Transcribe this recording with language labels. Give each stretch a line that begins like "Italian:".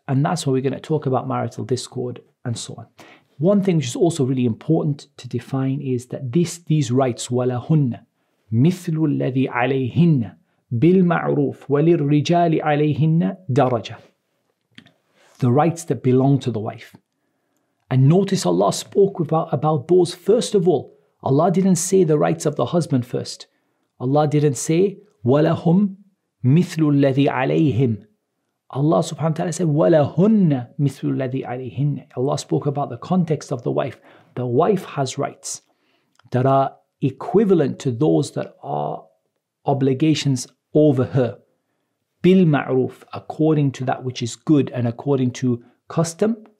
English: And that's why we're going to talk about marital discord and so on. One thing which is also really important to define is that these rights,
Arabic: ولهن مثل الذي عليهن بالمعروف وللرجال عليهن درجة.
English: The rights that belong to the wife. And notice Allah spoke about those first of all. Allah didn't say the rights of the husband first. Allah didn't say
Arabic: ولهم مثل الذي عليهم.
English: Allah subhanahu wa ta'ala said
Arabic: ولهن مثل الذي عليهن.
English: Allah spoke about the context of the wife. The wife has rights that are equivalent to those that are obligations over her. بالمعروف, according to that which is good and according to custom.